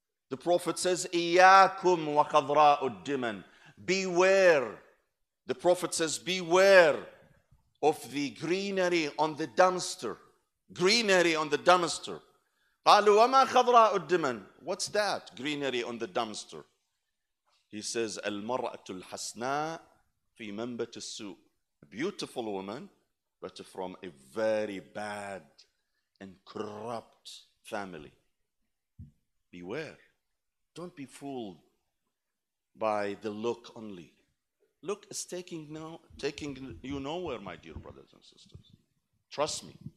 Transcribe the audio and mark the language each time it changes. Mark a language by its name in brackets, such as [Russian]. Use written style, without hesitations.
[English] The Prophet says, [Arabic] إِيَّاكُمْ وَقَضْرَاءُ الدِّمَنِ. [English] Beware, the Prophet says, beware of the greenery on the dumpster. Greenery on the dumpster. [Arabic] قالوا وما خضراء الدمن. [English] What's that greenery on the dumpster? He says [Arabic] المرأة الحسناء في منبت السوء. [English] A beautiful woman, but from a very bad and corrupt family. Beware. Don't be fooled by the look only. Look is taking you nowhere, my dear brothers and sisters. Trust me.